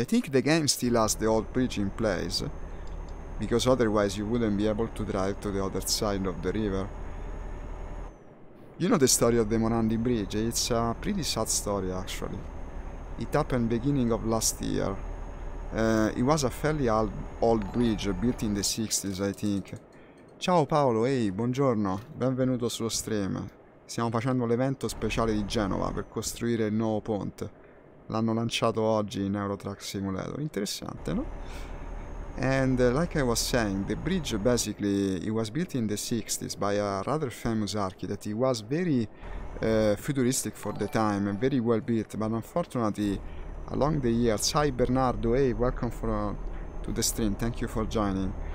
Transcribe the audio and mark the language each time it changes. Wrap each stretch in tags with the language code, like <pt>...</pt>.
<en>I think the game still has the old bridge in place. Because otherwise you wouldn't be able to drive to the other side of the river. You know the story of the Morandi Bridge? It's a pretty sad story, actually. It happened beginning of last year. It was a fairly old bridge, built in the 60s, I think.</en> <it>Ciao Paolo, ehi, buongiorno, benvenuto sullo stream. Stiamo facendo l'evento speciale di Genova per costruire il nuovo ponte. L'hanno lanciato oggi in Euro Truck Simulator. Interessante, no?</it> <en>And like I was saying, the bridge basically, it was built in the 60s by a rather famous architect. It was very futuristic for the time and very well built, but unfortunately along the years, hi Bernardo, hey, welcome to the stream, thank you for joining.</en>